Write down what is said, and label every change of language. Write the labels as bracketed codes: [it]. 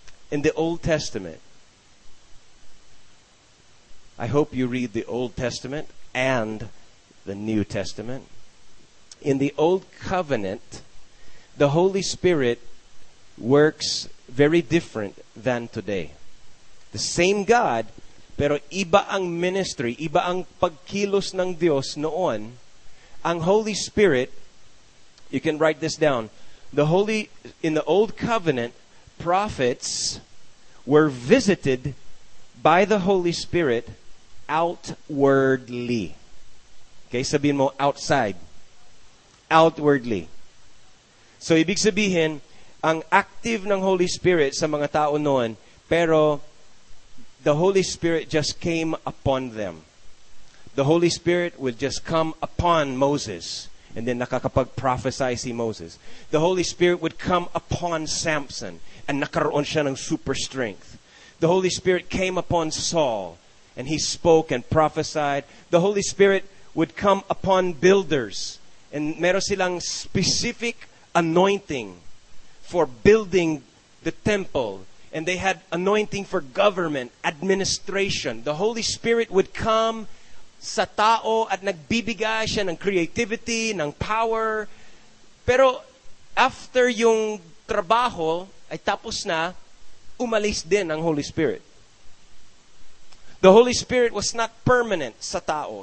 [en] In the Old Testament, I hope you read the Old Testament and the New Testament. In the Old Covenant, the Holy Spirit works very different than today. The same God, [tl] pero iba ang ministry, iba ang pagkilos ng Diyos noon. [en] Ang Holy Spirit, you can write this down, in the Old Covenant, prophets were visited by the Holy Spirit outwardly. Okay, sabihin mo, outside. Outwardly. So, [tl] ibig sabihin, ang active ng Holy Spirit sa mga tao noon, pero [en] the Holy Spirit just came upon them. The Holy Spirit will just come upon Moses, and then [tl] nakakapag-prophesy si Moses. [en] The Holy Spirit would come upon Samson, and [tl] nakaroon siya ng super strength. [en] The Holy Spirit came upon Saul, and he spoke and prophesied. The Holy Spirit would come upon builders. And [tl] meron silang [en] specific anointing for building the temple, and they had anointing for government, administration. The Holy Spirit would come [tl] sa tao at nagbibigay siya ng [en] creativity, ng power. [tl] Pero after yung trabaho ay tapos na, umalis din ang Holy Spirit. [en] The Holy Spirit was not permanent [tl] sa tao.